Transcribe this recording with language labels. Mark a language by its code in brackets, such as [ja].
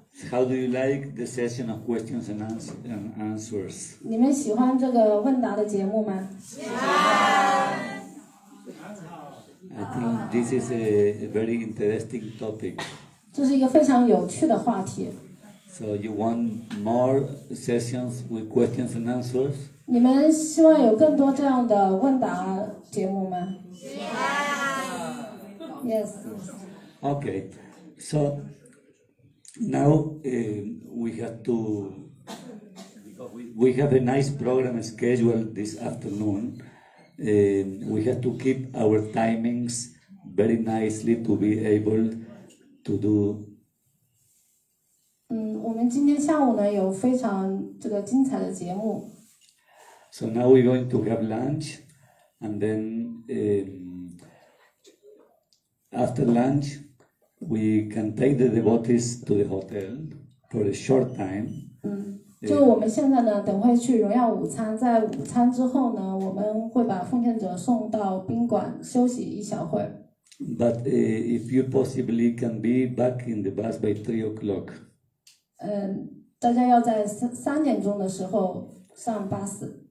[en] How do you like the session of questions and answers? [zh] 你们喜欢这个问答的节目吗？ [en] I think this is a very interesting topic. [zh] 这是一个非常有趣的话题。 [en] So you want more sessions with questions and answers? [zh] 你们希望有更多这样的问答节目吗？ [en] Yes. Okay. So now we have a nice program scheduled this afternoon. We have to keep our timings very nicely to be able to do. [zh] 嗯，我们今天下午呢有非常这个精彩的节目。 [en] So now we're going to have lunch, and then after lunch, we can take the devotees to the hotel for a short time. [zh] 嗯，就我们现在呢，等会去荣耀午餐，在午餐之后呢，我们会把奉献者送到宾馆休息一小会。 [en] But if you possibly can be back in the bus by 3 o'clock. [zh] 大家要在3点钟的时候上巴士。